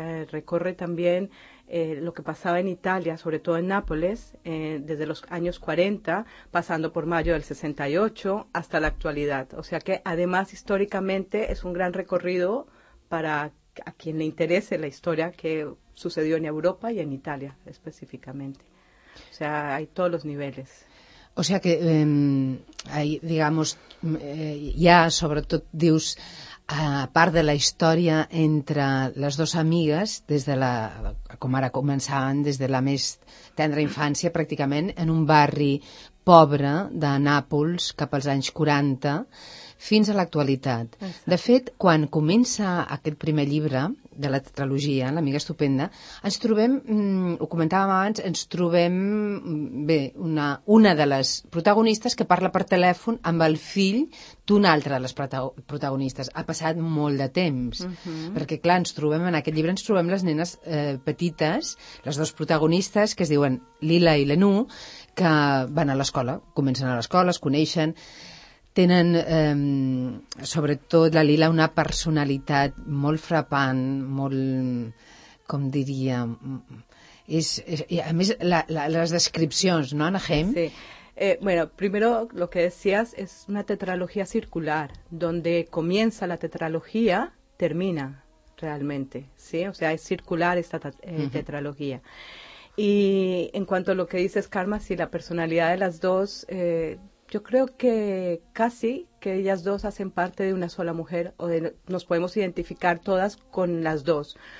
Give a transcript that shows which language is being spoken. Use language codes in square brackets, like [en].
[es] Recorre también lo que pasaba en Italia, sobre todo en Nápoles, desde los años 40, pasando por mayo del 68 hasta la actualidad. O sea que además históricamente es un gran recorrido para a quien le interese la historia que sucedió en Europa y en Italia específicamente. O sea, hay todos los niveles. O sea que hay, digamos, ya sobre todo [ca] dius, a part de la història entre les dues amigues, des de la com ara començaven, des de la més tendra infància pràcticament en un barri pobre de Nàpols cap als anys 40 fins a l'actualitat. De fet, quan comença aquest primer llibre de la tetralogia, L'amiga estupenda, ens trobem, ho comentàvem abans, ens trobem, bé, una de les protagonistes que parla per telèfon amb el fill d'una altra de les protagonistes. Ha passat molt de temps. Uh-huh. Perquè, clar, ens trobem en aquest llibre, ens trobem les nenes petites, les dues protagonistes, que es diuen Lila i Lenú, que van a l'escola, comencen a l'escola, es coneixen, tenen, sobretot la Lila, una personalitat molt frapant, molt, com diria, [es] Y a mí las descripciones, ¿no, Anna Heim? Sí. Bueno, primero lo que decías es una tetralogía circular, donde comienza la tetralogía, termina realmente, ¿sí? O sea, es circular esta tetralogía. Y en cuanto a lo que dices, Karma, sí, la personalidad de las dos, yo creo que casi que ellas dos hacen parte de una sola mujer, o de, nos podemos identificar todas con las dos.